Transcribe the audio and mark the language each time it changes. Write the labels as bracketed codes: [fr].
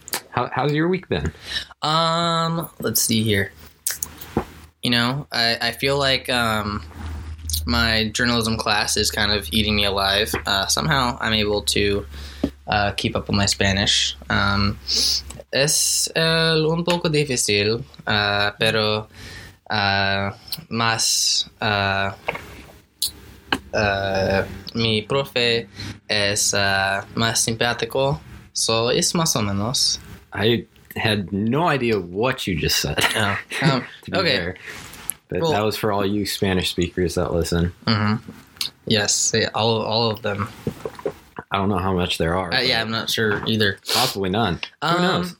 [en] How's your week been? Let's see here. You know, I feel like my journalism class is kind of eating me alive. Somehow I'm able to keep up with my Spanish. [es] Es un poco difícil, pero más mi profe es más simpático, [en] so [es] es más o menos. [en] I had no idea what you just said. Okay. But well, that was for all you Spanish speakers that listen. Mm-hmm. Yes, all of them. I don't know how much there are. Yeah, I'm not sure either. Possibly none. Who knows?